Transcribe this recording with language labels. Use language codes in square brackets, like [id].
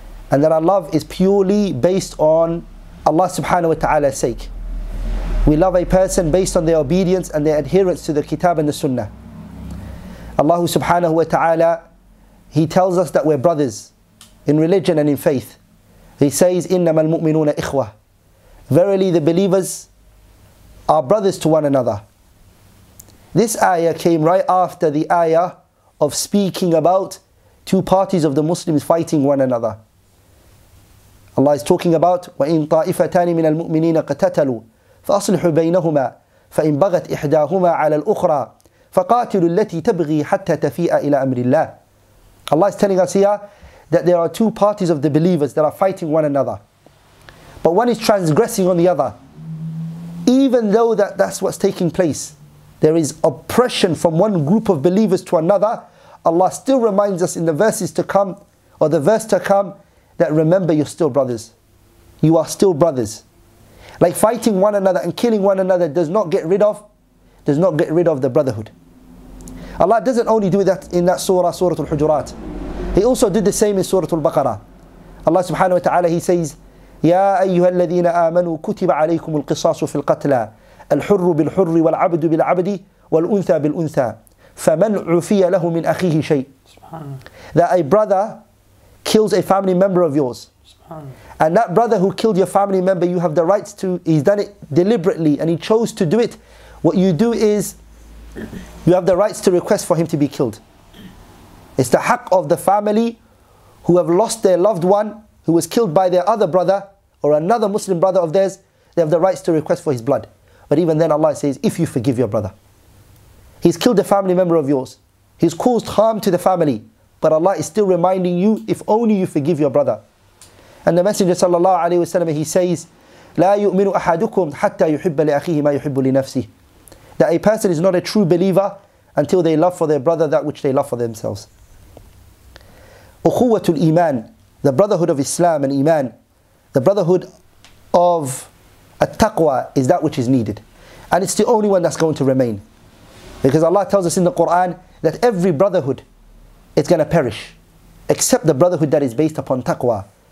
[en] And that our love is purely based on Allah subhanahu wa ta'ala's sake. We love a person based on their obedience and their adherence to the kitab and the sunnah. Allah subhanahu wa ta'ala, he tells us that we're brothers in religion and in faith. He says, [ar] إِنَّمَا الْمُؤْمِنُونَ إِخْوَةً. [en] Verily the believers are brothers to one another. This ayah came right after the ayah of speaking about two parties of the Muslims fighting one another. Allah is talking about [ar] وَإِن طَائِفَتَانِ مِنَ الْمُؤْمِنِينَ قَتَتَلُوا فَأَصْلِحُوا بَيْنَهُمَا فَإِنْ بَغَتْ إِحْدَاهُمَا عَلَى الْأُخْرَى فَقَاتِلُوا الَّتِي تَبْغِي حَتَّى تَفِيئَ إِلَى أَمْرِ اللَّهِ. [en] Allah is telling us here that there are two parties of the believers that are fighting one another. But one is transgressing on the other. Even though that's what's taking place, there is oppression from one group of believers to another, Allah still reminds us in the verses to come, or the verse to come, that remember you're still brothers. You are still brothers. Like fighting one another and killing one another does not get rid of the brotherhood. Allah doesn't only do that in that surah, Surah Al-Hujurat. He also did the same in Surah Al-Baqarah. [ar] Allah subhanahu wa ta'ala, he says, يَا أَيُّهَا الَّذِينَ آمَنُوا كُتِبَ عَلَيْكُمُ الْقِصَاصُ فِي الْقَتْلَى الْحُرُّ بِالْحُرِّ وَالْعَبْدُ بِالْعَبْدِ وَالْأُنْثَى بِالْأُنْثَى فَمَنْ عُفِيَ لَهُ مِنْ أَخِيهِ شَيْءٍ. [en] That a brother kills a family member of yours, And that brother who killed your family member, you have the rights to, he's done it deliberately and he chose to do it. What you do is, you have the rights to request for him to be killed. It's the haqq of the family who have lost their loved one, who was killed by their other brother or another Muslim brother of theirs, they have the rights to request for his blood. But even then Allah says, if you forgive your brother, he's killed a family member of yours, he's caused harm to the family, but Allah is still reminding you, if only you forgive your brother. And the Messenger sallallahu alaihi wasallam, he says, [ar] لَا يُؤْمِنُ أَحَدُكُمْ حَتَّى يُحِبَّ لِأَخِيهِ مَا يُحِبُّ لِنَفْسِهِ. [en] That a person is not a true believer until they love for their brother that which they love for themselves. [ar] أُخُوَّةُ الْإِيمَانِ, [en] the brotherhood of Islam and Iman, the brotherhood of at-taqwa is that which is needed. And it's the only one that's going to remain. Because Allah tells us in the Quran that every brotherhood is going to perish, except the brotherhood that is based upon taqwa.